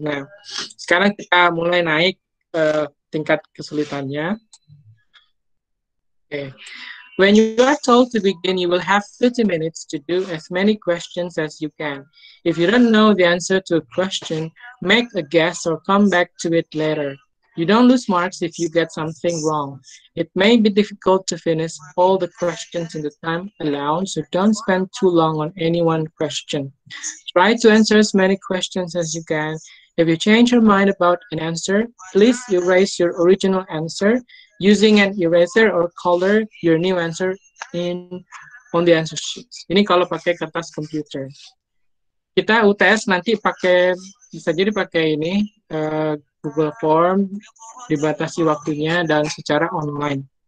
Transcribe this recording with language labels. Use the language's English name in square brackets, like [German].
[Indonesian] Nah, sekarang kita mulai naik tingkat kesulitannya. Okay. [English] When you are told to begin, you will have 30 minutes to do as many questions as you can. If you don't know the answer to a question, make a guess or come back to it later. You don't lose marks if you get something wrong. It may be difficult to finish all the questions in the time allowed, so don't spend too long on any one question. Try to answer as many questions as you can. If you change your mind about an answer, please erase your original answer using an eraser or color your new answer on the answer sheet. [Indonesian] Ini kalau pakai kertas komputer. Kita UTS nanti bisa jadi pakai ini Google Form, dibatasi waktunya dan secara online.